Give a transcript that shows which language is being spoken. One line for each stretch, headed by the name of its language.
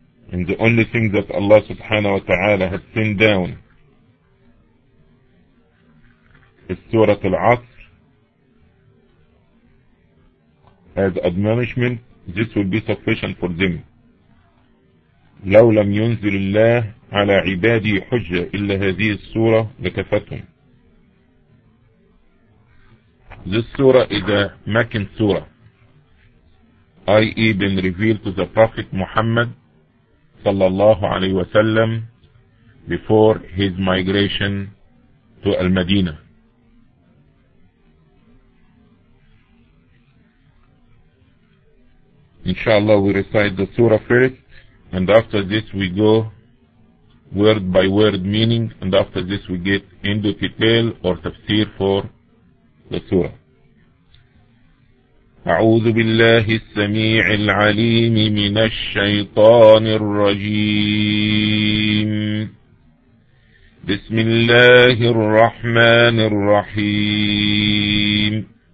English: and the only thing that Allah subhanahu wa ta'ala has sent down is Surah Al-Asr as admonishment, this will be sufficient for them.
Arabic: لو لم ينزل الله على عبادي حجة إلا هذه السورة لكفتهم.
English: This surah is a Meccan surah, i.e. been revealed to the Prophet Muhammad sallallahu alayhi wa sallam before his migration to Al-Madinah. Inshallah, we recite the surah first, and after this we go word by word meaning, and after this we get into detail or tafsir for the surah.
Arabic: أعوذ بالله السميع العليم من الشيطان الرجيم. بسم الله الرحمن الرحيم.